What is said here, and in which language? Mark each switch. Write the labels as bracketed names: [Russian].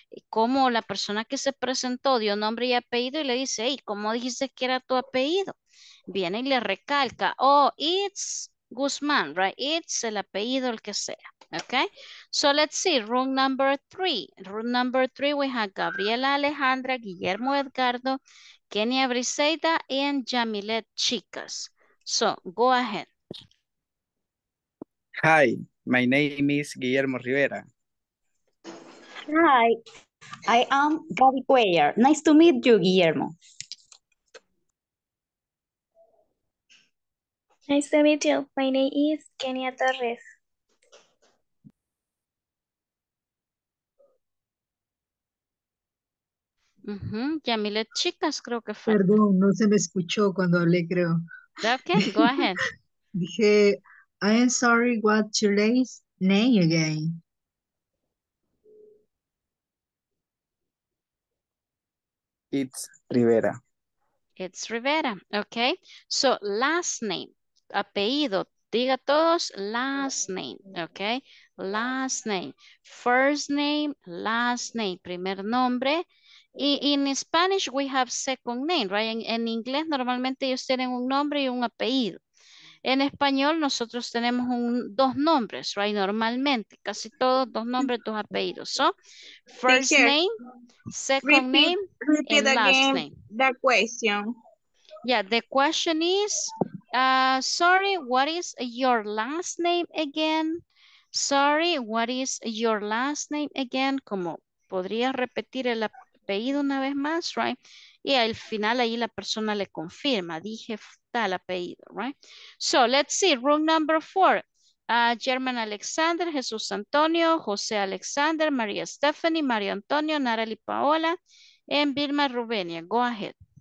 [Spanish] Como la persona que se presentó dio nombre y apellido y le dice, hey, ¿cómo dijiste que era tu apellido? Viene y le recalca, [English] oh, it's Guzmán, right? It's [Spanish] el apellido, el que sea, [English] okay? So let's see, room number three. Room number three, we have Gabriela Alejandra, Guillermo Edgardo, Kenia Briseida, and Jamilet Chicas. So, go ahead. Hi, my name is Guillermo Rivera. Hi, I am Gabby Cuellar. Nice to meet you, Guillermo. Nice to meet you. My name is Kenia Torres. [Spanish] Uh-huh. Yamilet Chicas, creo que fue. Perdón, no se me escuchó cuando hablé, creo. [English] Okay, go ahead. Dije, I am sorry, what's your name again? Go ahead, it's Rivera. It's Rivera, okay. So, last name. [Spanish] Apellido, diga todos, [English] last name, ok, last name, first name, last name, [Spanish] primer nombre, [English] In Spanish, we have second name, right? [Spanish] En inglés, normalmente ellos tienen un nombre y un apellido. En español, nosotros tenemos dos nombres, right? Normalmente, casi todos dos nombres, dos apellidos. [English] So, first name, second name, and last name. The question. Yeah, the question is, sorry, what is your last name again? Sorry, what is your last name again? [Spanish] Como podría repetir el apellido una vez más, right? Y al final ahí la persona le confirma, dije tal apellido, right? [English] So, let's see, room number four. German Alexander, Jesús Antonio, José Alexander, María Stephanie, Mario Antonio, Narali Paola, and Vilma Rubenia. Go ahead.